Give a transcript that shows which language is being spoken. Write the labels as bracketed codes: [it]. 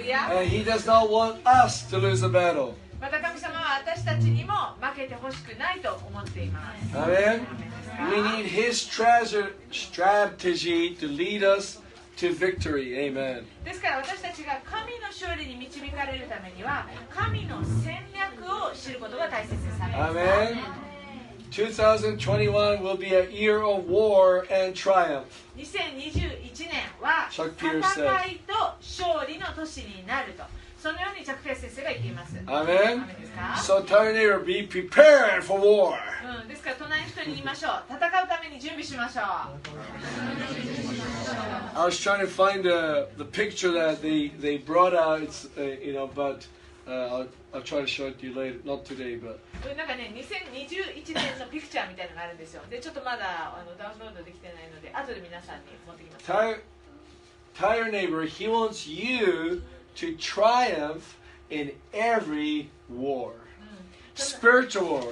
[en] And he does not want us to lose a battle. [ja] また神様は私たちにも負けてほしくないと思っています。 [en] Amen. We need His treasure strategy to lead us to victory. Amen. [ja] ですから私たちが神の勝利に導かれるためには神の戦略を知ることが大切です。 [en] Amen. 2021 will be a year of war and triumph. [ja] 2021年は [en] Chuck Pierce said. [ja] 戦いと勝利の年になると。そのようにジャック・ピアス先生が言っています。 [en] Amen. So tell your neighbor, be prepared for war. [ja] うん、ですから隣の人に言いましょう。戦うために準備しましょう。 [en] I was trying to find the picture that they brought out. It's, you know, but I'll try to show it to you later. Not today, but. [ja] なんかね、2021年のピクチャーみたいなのがあるんですよ。で、ちょっとまだダウンロードできてないので、後で皆さんに持ってきます。 [en] Tell your neighbor, he wants you. To triumph in every war, spiritual war.